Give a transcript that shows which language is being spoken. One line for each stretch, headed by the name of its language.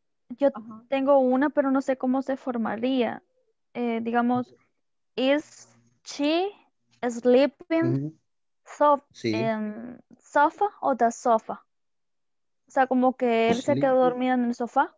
Spanish: Yo tengo una, pero no sé cómo se formaría. Digamos,
English: is she sleeping in sofa o the sofa?
Spanish: O sea, como que él se quedó dormido en el sofá.